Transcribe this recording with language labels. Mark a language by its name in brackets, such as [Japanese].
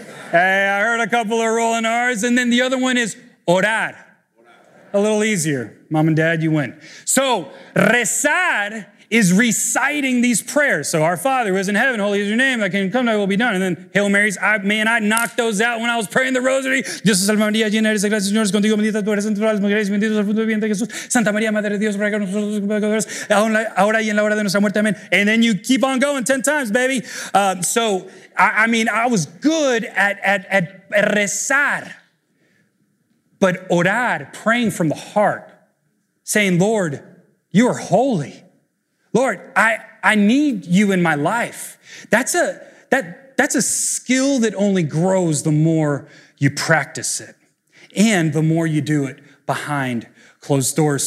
[English] Hey, I heard a couple of rolling R's. And then the other one is orar. A little easier. Mom and Dad, you win. So rezar is reciting these prayers. So Our Father who is in heaven, holy is your name, thy kingdom come, thy will be done. And then Hail Marys, I knocked those out when I was praying the rosary. [Spanish] Dios te salve María, llena eres de gracia, Señor es contigo, bendita tú eres entre todas las mujeres, bendito es el fruto del vientre Jesús. Santa María, Madre de Dios, ruega por nosotros pecadores, ahora y en la hora de nuestra muerte, amén. [English] And then you keep on going 10 times, baby. I was good at rezar, but orar, praying from the heart, saying, Lord, you are holy. Lord, I need you in my life. That's a skill that only grows the more you practice it and the more you do it behind closed doors.